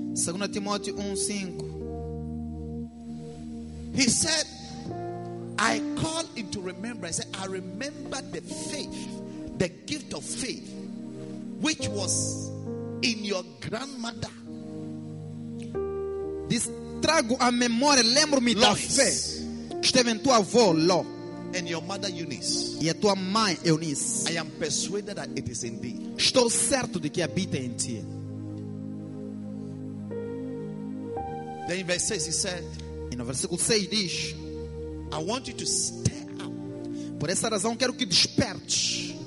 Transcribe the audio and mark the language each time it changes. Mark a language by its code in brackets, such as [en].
[pt] 2 Timóteo 1, 5. [en] He said, I call into remembrance. I remember the faith, the gift of faith, which was in your grandmother. [pt] Diz, trago a memória, lembro-me da fé que esteve em tua avó, Ló. [en] And your mother Eunice. [pt] E a tua mãe Eunice. [en] I am persuaded that it is in thee. [pt] Estou certo de que habita em ti. [en] Then in verse 6 he said. [pt] E no versículo 6 diz. [en] I want you to stir up. [pt] Por essa razão quero que despertes